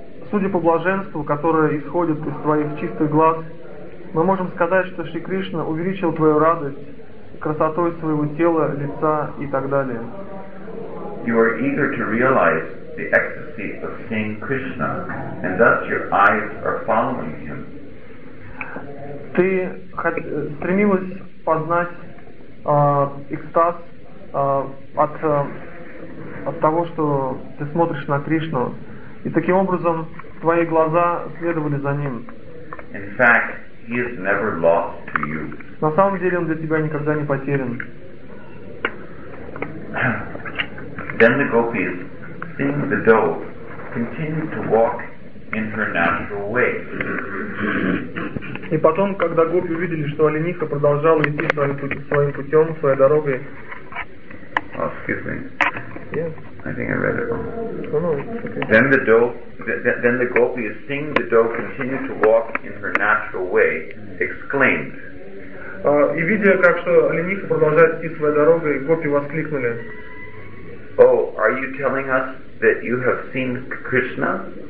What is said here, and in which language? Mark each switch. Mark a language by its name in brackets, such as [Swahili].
[Russian] Судя по блаженству, которое исходит из твоих чистых глаз, мы можем сказать, что Шри Кришна увеличил твою радость красотой своего тела, лица и так далее. [English] You are eager to realize the ecstasy of seeing Krishna, and thus your eyes are following him. [Russian] Ты стремилась познать экстаз от того, что ты смотришь на Кришну, и таким образом твои глаза следовали за ним. [English] In fact, he is never lost to you. [Russian] На самом деле он для тебя никогда не потерян. [English] Then the gopis, seeing the doe, continued to walk in her natural way. [Russian] И потом, когда гопи увидели, что олениха продолжала идти своим путем, своей дорогой. [English] Oh, excuse me. Yeah. I think I read it wrong. Oh, no, okay. Then the gopis, seeing the doe continue to walk in her natural way, exclaimed. [Russian] И видя, как что олениха продолжает идти своей дорогой, гопи воскликнули. [English] Oh, are you telling us that you have seen Krishna?